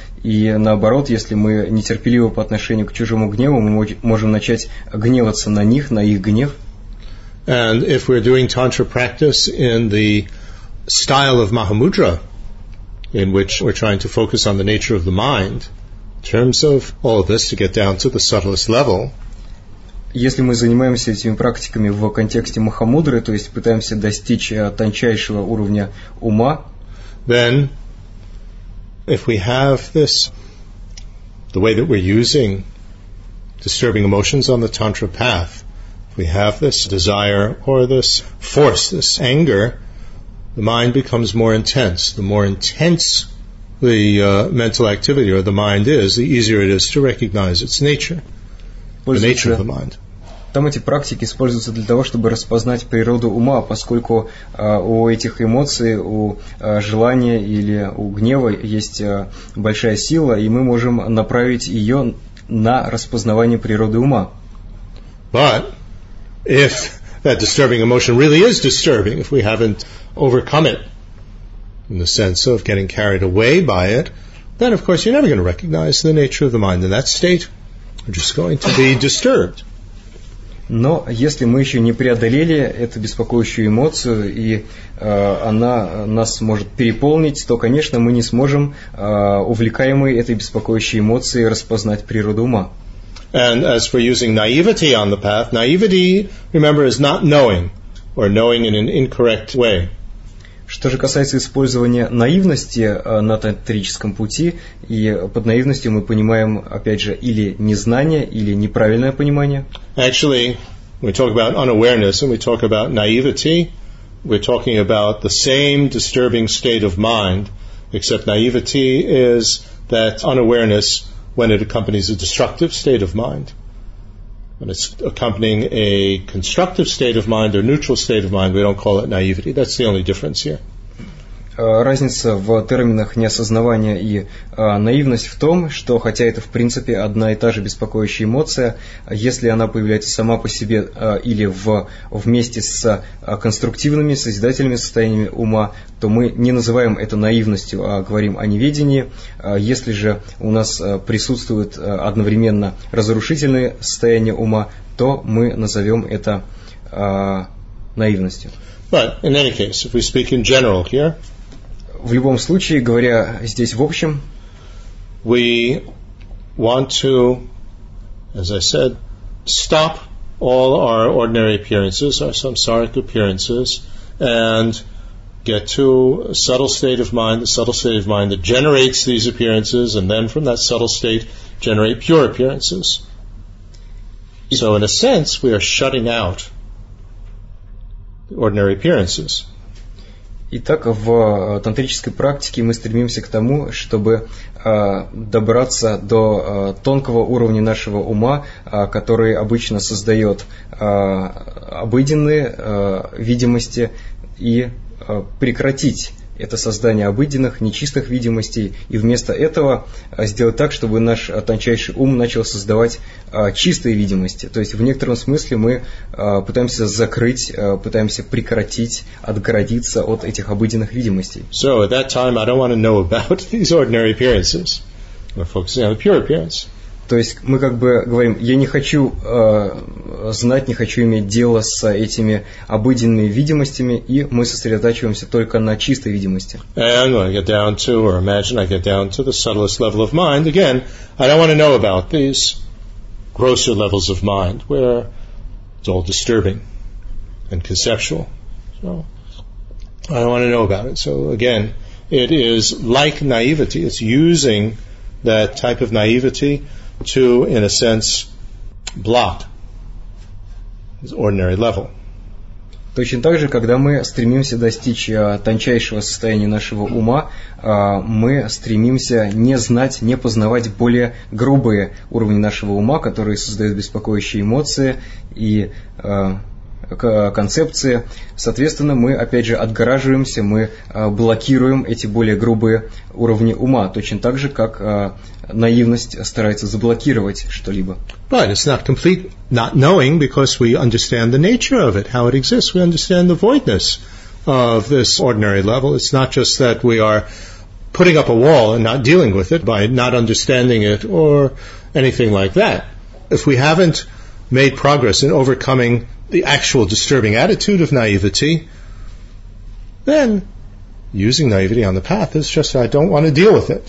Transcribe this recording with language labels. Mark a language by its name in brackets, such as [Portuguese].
[Russian] И наоборот, если мы нетерпеливы по отношению к чужому гневу, мы можем начать гневаться на них, на их гнев. [English] And if we're doing tantra practice in the style of Mahamudra, in which we're trying to focus on the nature of the mind, in terms of all of this to get down to the subtlest level. [Russian] Если мы занимаемся этими практиками в контексте Махамудры, то есть пытаемся достичь тончайшего уровня ума, [English] then if we have this, the way that we're using disturbing emotions on the tantra path, if we have this desire or this force, this anger, the mind becomes more intense. The more intense the mental activity or the mind is, the easier it is to recognize its nature, the nature of the mind. [Russian] Там эти практики используются для того, чтобы распознать природу ума, поскольку у этих эмоций, у желания или у гнева есть большая сила, и мы можем направить ее на распознавание природы ума. [English] But if that disturbing emotion really is disturbing, if we haven't overcome it in the sense of getting carried away by it, then, of course, you're never going to recognize the nature of the mind in that state. You're just going to be disturbed. [Russian] Но если мы еще не преодолели эту беспокоящую эмоцию, и она нас может переполнить, то, конечно, мы не сможем, увлекаемые этой беспокоящей эмоцией, распознать природу ума. [English] And as for using naivety on the path, naivety, remember, is not knowing, or knowing in an incorrect way. [Russian] Что же касается использования наивности на тантрическом пути, и под наивностью мы понимаем, опять же, или незнание, или неправильное понимание. [English] Actually, we talk about unawareness and we talk about naivety. We're talking about the same disturbing state of mind, except naivety is that unawareness when it accompanies a destructive state of mind. When it's accompanying a constructive state of mind or neutral state of mind, we don't call it naivety. That's the only difference here. [Russian] Разница в терминах неосознавания и наивность в том, что хотя это в принципе одна и та же беспокоящая эмоция, если она появляется сама по себе или вместе с конструктивными, созидательными состояниями ума, то мы не называем это наивностью, а говорим о неведении. Если же у нас присутствуют одновременно разрушительные состояния ума, то мы назовем это наивностью. [English] But in any case, if we speak in general here, [Russian] в любом случае, говоря здесь в общем, [English] we want to, as I said, stop all our ordinary appearances, our samsaric appearances, and get to a subtle state of mind, the subtle state of mind that generates these appearances, and then from that subtle state generate pure appearances. So in a sense, we are shutting out ordinary appearances. [Russian] Итак, в тантрической практике мы стремимся к тому, чтобы добраться до тонкого уровня нашего ума, который обычно создает обыденные видимости, и прекратить это создание обыденных, нечистых видимостей, и вместо этого сделать так, чтобы наш тончайший ум начал создавать чистые видимости. То есть, в некотором смысле мы пытаемся закрыть, пытаемся прекратить, отгородиться от этих обыденных видимостей. [English] So, at that time, I don't want to know about these ordinary appearances. We're focusing on the pure appearance. [Russian] То есть мы как бы говорим, я не хочу знать, не хочу иметь дело с этими обыденными видимостями, и мы сосредотачиваемся только на чистой видимости. [English] And when I get down to, or imagine I get down to the subtlest level of mind, again, I don't want to know about these grosser levels of mind, where it's all disturbing and conceptual. So I don't want to know about it. So again, it is like naivety. It's using that type of naivety to, in a sense, block this ordinary level. [Russian] Точно так же, когда мы стремимся достичь тончайшего состояния нашего ума, мы стремимся не знать, не познавать более грубые уровни нашего ума, которые создают беспокоящие эмоции и концепции. Соответственно, мы, опять же, отгораживаемся, мы блокируем эти более грубые уровни ума, точно так же, как наивность старается заблокировать что-либо. [English] But it's not complete not knowing, because we understand the nature of it, how it exists. We understand the voidness of this ordinary level. It's not just that we are putting up a wall and not dealing with it by not understanding it or anything like that. If we haven't made progress in overcoming the actual disturbing attitude of naivety, then using naivety on the path is just, I don't want to deal with it.